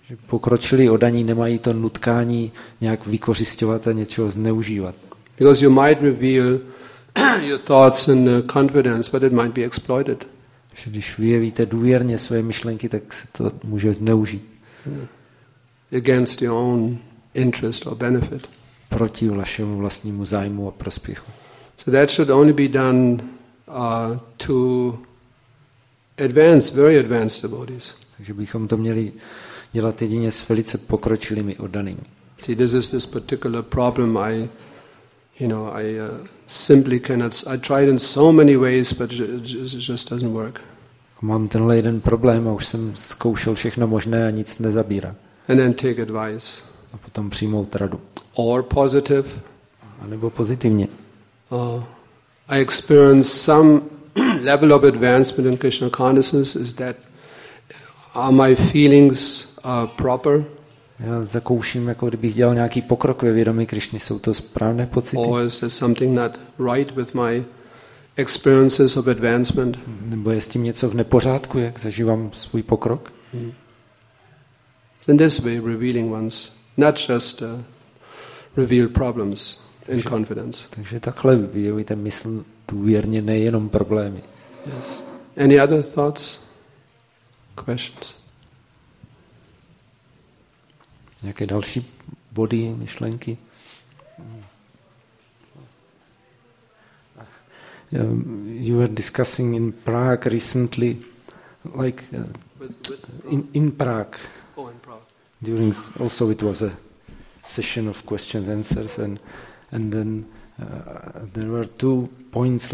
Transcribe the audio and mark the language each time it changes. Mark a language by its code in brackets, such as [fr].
[cs] Pokročilí oddaní nemají to nutkání nějak vykořisťovat a něčeho zneužívat. [en] Because you might reveal your thoughts and confidence, but it might be exploited. [cs] Když vyjevíte důvěrně své myšlenky, tak se to může zneužít. [en] Against your own interest or benefit. [cs] Proti vašemu vlastnímu zájmu a prospěchu. [en] So that should only be done to advance, very advanced devotees. [cs] Takže bychom to měli dělat jedině s velice pokročilými oddanými. [en] See, this particular problem I tried in so many ways, but it just doesn't work. [cs] Mám tenhle jeden problém a už jsem zkoušel všechno možné a nic nezabírá. [en] And then take advice. [cs] A potom přijmout radu. [en] Or positive. [cs] A nebo pozitivně. [en] I experienced some level of advancement in Krishna consciousness is that are my feelings proper? [cs] Já zakouším, jako kdybych dělal nějaký pokrok ve vědomí Krišny, jsou to správné pocity? [en] Or is there something not right with my experiences of advancement? [cs] Nebo je s tím něco v nepořádku, jak zažívám svůj pokrok? [en] In this way, revealing ones, not just reveal problems in confidence. [cs] Takže takhle vyjevujte mysl důvěrně, nejenom problémy. [en] Yes. Any other thoughts? Questions? [cs] Nějaké další body, myšlenky? [en] You were discussing in Prague recently, like in Prague. Oh, in Prague. During also it was a session of questions and answers, and then there were two points.